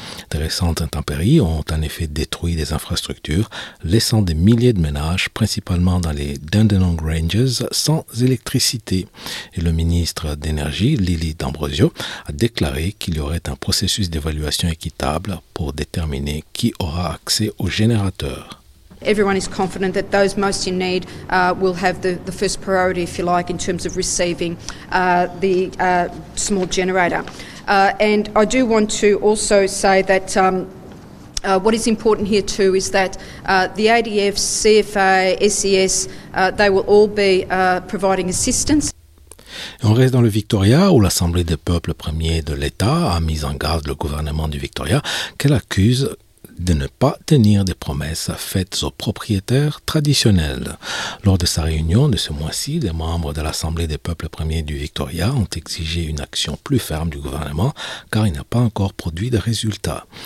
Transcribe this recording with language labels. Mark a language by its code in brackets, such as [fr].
[fr] De récentes intempéries ont en effet détruit des infrastructures, laissant des milliers de ménages, principalement dans les Dandenong Ranges, sans électricité. Et le ministre d'énergie, Lily D'Ambrosio, a déclaré qu'il y aurait un processus d'évaluation équitable pour déterminer qui aura accès aux générateurs. [en] Everyone is confident that those most in need will have the first priority, if you like, in terms of receiving the small generator. And I do want to also say that what is important here too is that the ADF, CFA, SES, they will all be providing assistance. [fr] Et on reste dans le Victoria, où l'Assemblée des peuples premiers de l'État a mis en garde le gouvernement du Victoria, qu'elle accuse de ne pas tenir des promesses faites aux propriétaires traditionnels. Lors de sa réunion de ce mois-ci, les membres de l'Assemblée des peuples premiers du Victoria ont exigé une action plus ferme du gouvernement, car il n'a pas encore produit de résultats.